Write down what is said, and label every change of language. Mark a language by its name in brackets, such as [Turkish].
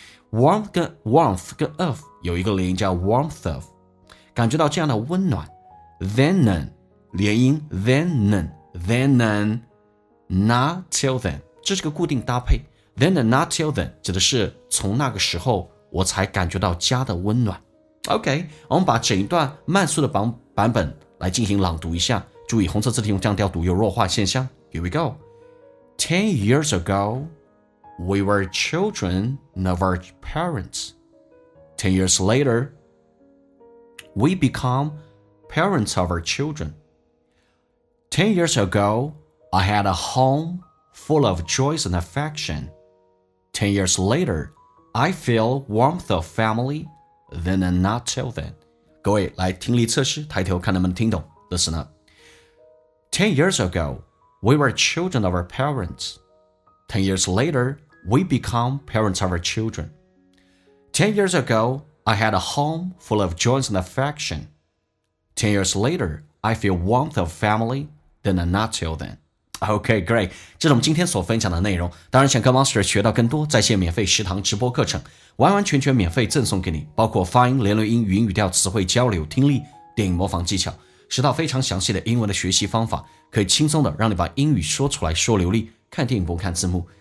[Chinese] Warmth 跟 of 有一个连音叫 warmth of， 感觉到这样的温暖。 Then none 连音 then none, not till then， 这是个固定搭配。 Then and not till then 指的是从那个时候我才感觉到家的温暖。 OK， 我们把整一段慢速的版本来进行朗读一下。注意红色字体用降调读有弱化现象。 [English] Here we go. 10 years ago, we were children of our parents. 10 years later, we become parents of our children. 10 years ago, I had a home full of joys and affection. 10 years later, I feel warmth of family, then and not till then. [Chinese] 各位来听力测试，抬头看能不能听懂。 [English] Listen up. 10 years ago, we were children of our parents. 10 years later, we become parents of our children. 10 years ago, I had a home full of joy and affection. 10 years later, I feel warmth of family than not till then. Okay, great. [Chinese] 这是我们今天所分享的内容。当然想跟 Monster 学到更多在线免费食堂直播课程，完完全全免费赠送给你，包括发音、连轮音、语音语调、词汇交流、听力、电影模仿技巧，十套非常详细的英文的学习方法，可以轻松的让你把英语说出来说流利，看电影不看字幕。